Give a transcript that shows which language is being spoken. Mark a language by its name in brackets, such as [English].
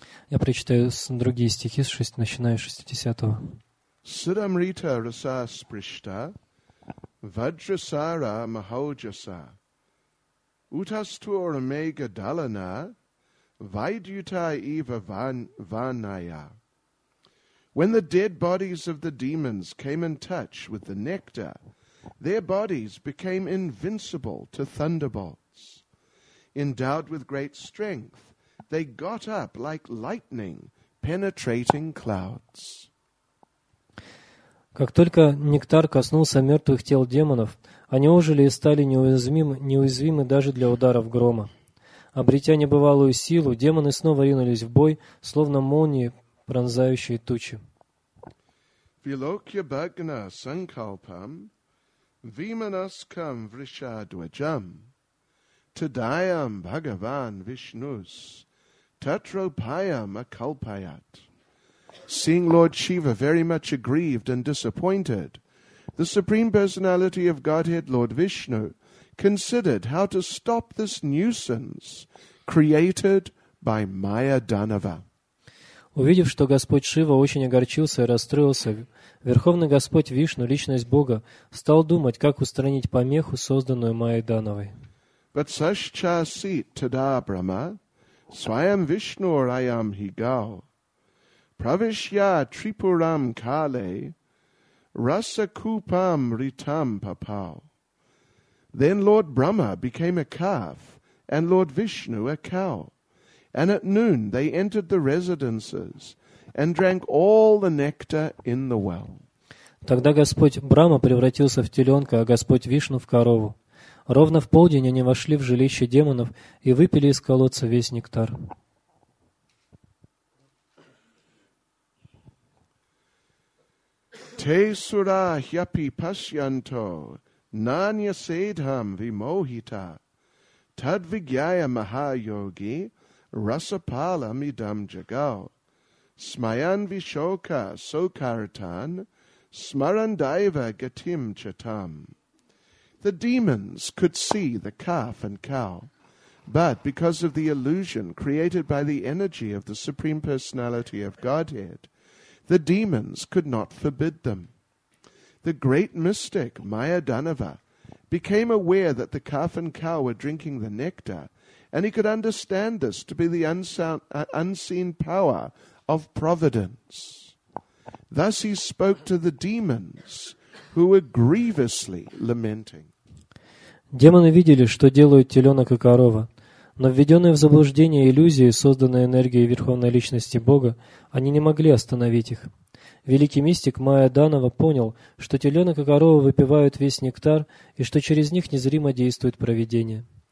[Russian] Я прочитаю другие стихи, начиная с 60-го. [Sanskrit] Сидамрита раса спришта, ваджрасара махаоджаса, утастур мега далана, вайдюта ива ванная. [English] When the dead bodies of the demons came in touch with the nectar, their bodies became invincible to thunderbolts. Endowed with great strength, they got up like lightning, penetrating clouds. [Russian] Как только нектар коснулся мертвых тел демонов, они ожили и стали неуязвимы даже для ударов грома. Обретя небывалую силу, демоны снова ринулись в бой, словно молнии, пронзающие тучи. [Sanskrit] Вилокья-бхагна санкалпам виманаскам вришадваджам тадаям бхагаван вишнус татропаям акалпаят. [English] Seeing Lord Shiva very much aggrieved and disappointed, the Supreme Personality of Godhead, Lord Vishnu, considered how to stop this nuisance created by Maya Danava. [Russian] Увидев, что Господь Шива очень огорчился и расстроился, Верховный Господь Вишну, Личность Бога, стал думать, как устранить помеху, созданную Майей Дановой. [Sanskrit] But sascha sit tada brahma, svayam vishnur ayam higau. Pravishya tripuram kale rasakupam ritam papau. [English] Then Lord Brahma became a calf and Lord Vishnu a cow. And at noon they entered the residences and drank all the nectar in the well. [Russian] Тогда Господь Брама превратился в теленка, а Господь Вишну в корову. Ровно в полдень они вошли в жилище демонов и выпили из колодца весь нектар. [Sanskrit] Те сура хьяпи пасьянто, нанья седхам вимохита, тадвигьяя махайоги, расапала мидам джагау, смаян вишока сокартан, смарандайва гатим чатам. [English] The demons could see the calf and cow, but because of the illusion created by the energy of the Supreme Personality of Godhead, the demons could not forbid them. The great mystic Maya Danava became aware that the calf and cow were drinking the nectar, and he could understand this to be the unseen power of providence. Thus he spoke to the demons, who were grievously lamenting. [Russian] Демоны видели, что делают теленок и корова. Но введенные в заблуждение иллюзии, созданные энергией Верховной Личности Бога, они не могли остановить их. Великий мистик Майя Данава понял, что теленок и корова выпивают весь нектар и что через них незримо действует провидение.